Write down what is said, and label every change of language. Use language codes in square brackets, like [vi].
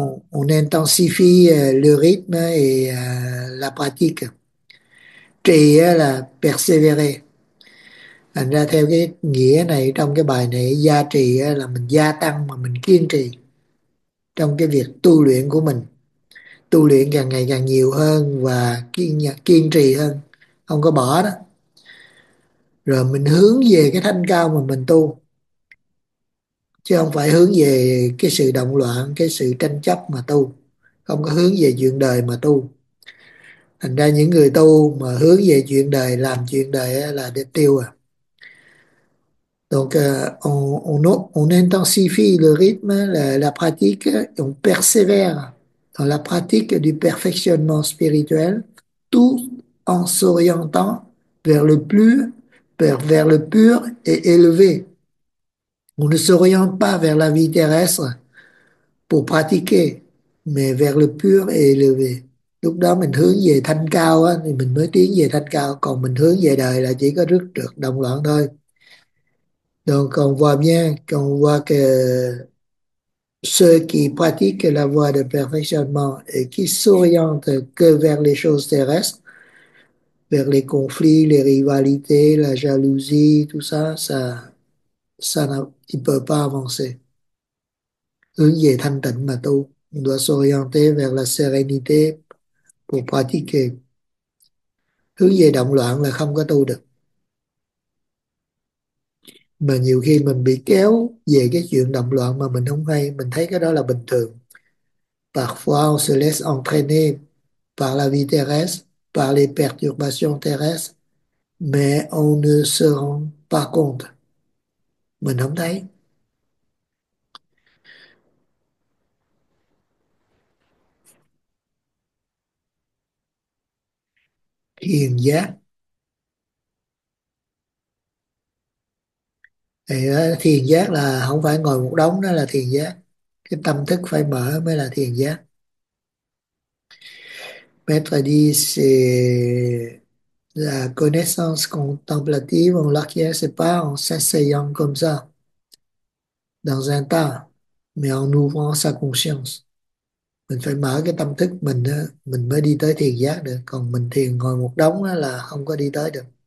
[fr] On intensifie le rythme et la pratique. [vi] Trì là persévérer. Thành ra theo cái nghĩa này trong cái bài này, gia trì là mình gia tăng mà mình kiên trì trong cái việc tu luyện của mình. Tu luyện càng ngày càng nhiều hơn và kiên trì hơn, không có bỏ đó. Rồi mình hướng về cái thanh cao mà mình tu, chứ không phải hướng về cái sự động loạn, cái sự tranh chấp mà tu, không có hướng về chuyện đời mà tu. Thành ra những người tu mà hướng về chuyện đời, làm chuyện đời là để tiêu à. [fr] On intensifie le rythme, la pratique, on persévère dans la pratique du perfectionnement spirituel, tout en s'orientant vers le pur et élevé. On ne s'oriente pas vers la vie terrestre pour pratiquer, mais vers le pur et élevé. [vi] Lúc đó mình hướng về thanh cao á, thì mình mới tiến về thanh cao, còn mình hướng về đời là chỉ có rước trượt động loạn thôi. [fr] Donc on voit bien, qu'on voit que ceux qui pratiquent la voie de perfectionnement et qui s'orientent que vers les choses terrestres, vers les conflits, les rivalités, la jalousie, tout ça, il peut pas avancer. [vi] Hướng về thanh tịnh mà tu, [fr] on doit s'orienter vers la sérénité pour pratiquer. [vi] Hướng về động loạn là không có tu được. Mà nhiều khi mình bị kéo về cái chuyện động loạn mà mình không hay, mình thấy cái đó là bình thường. [fr] Parfois, on se laisse entraîner par la vie terrestre, par les perturbations terrestres, mais on ne se rend pas compte. [vi] Mình không thấy. Thiền giác. Thiền giác là không phải ngồi một đống, đó là thiền giác. Cái tâm thức phải mở mới là thiền giác. [fr] Maître dit, c'est la connaissance contemplative, on l'acquiert pas en s'asseyant comme ça, dans un tas, mais en ouvrant sa conscience. [vi] Mình phải mở cái tâm thức mình đó, mình mới đi tới thiền giác được. Còn mình thiền ngồi một đống đó là không có đi tới được.